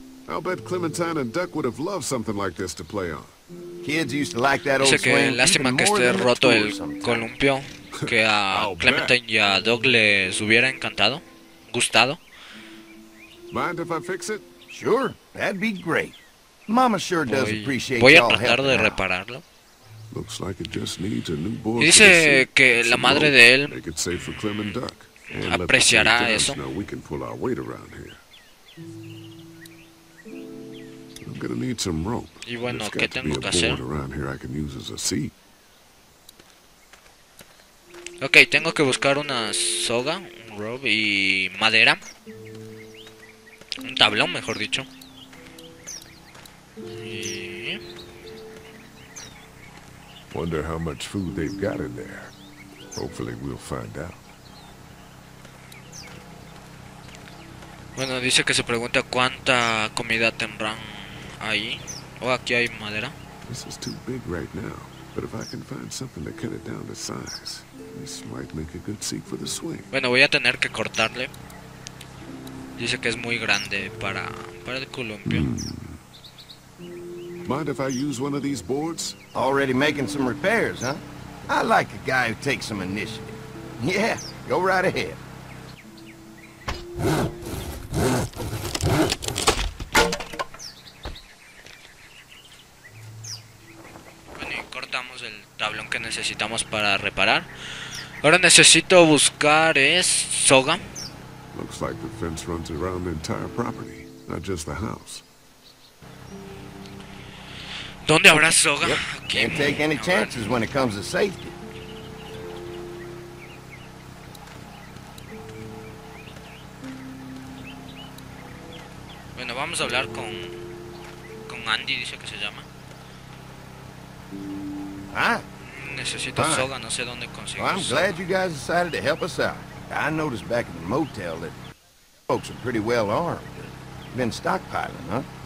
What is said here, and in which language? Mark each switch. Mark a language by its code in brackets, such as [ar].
[en] I'll bet Clementine and Duck would have loved something like this to play on. Kids used to like that old swing. [es] Que lástima que esté roto el columpio, que a Clementine y a Duck les hubiera encantado, gustado. [en] Mind if I fix it? Sure, that'd be great. Mama sure does appreciate [es] voy a tratar de repararlo. [en] Looks like it just needs a new board. [es] Dice que la madre de él apreciará eso. [en] Now we can pull our weight around here. I'm gonna need some rope. [es] Y bueno, ¿qué tengo que hacer? [en] Around here I can use as a seat. [es] Okay, tengo que buscar una soga, un rope y madera. Un tablón, mejor dicho. [en] Wonder how much food they've got in there. Hopefully we'll find out. [es] Bueno, dice que se pregunta cuánta comida tendrán ahí. O aquí hay madera. [en] This is too big right now, but if I can find something to cut it down to size, this might make a good seat for the swing. [es] Bueno, voy a tener que cortarle. Dice que es muy grande para el columpio. [en] Mind if I use one of these boards? Already making some repairs, huh? I like a guy who takes some initiative. Yeah, go right ahead. [es] Bueno, y cortamos el tablón que necesitamos para reparar. Ahora necesito buscar es soga. [en] Looks like the fence runs around the entire property, not just the house. [es] ¿Dónde habrá soga? [en] Yep. Can't take any chances when it comes to safety. [es] Bueno, vamos a hablar con Andy, dice que se llama. Ah. Necesito soga, no sé dónde conseguir. [en] Well, I'm glad you guys decided to help us out. I noticed back in the motel that folks are pretty well armed. Been stockpiling, huh?